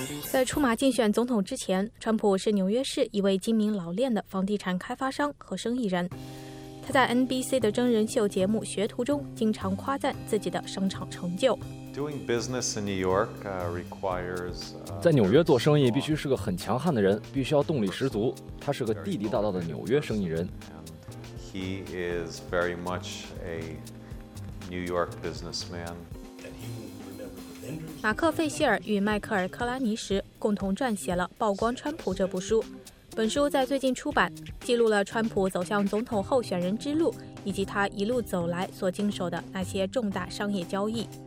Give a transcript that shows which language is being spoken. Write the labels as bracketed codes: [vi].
[zh] 在出马竞选总统之前，川普是纽约市一位精明老练的房地产开发商和生意人。他在 NBC 的真人秀节目《学徒》中经常夸赞自己的商场成就。 [en] Doing business in New York requires [zh] 在纽约做生意必须是个很强悍的人，必须要动力十足。他是个地地道道的纽约生意人。 [en] He is very much a New York businessman. [zh] 马克·费希尔与迈克尔·克拉尼什共同撰写了《曝光川普》这部书。本书在最近出版，记录了川普走向总统候选人之路，以及他一路走来所经手的那些重大商业交易。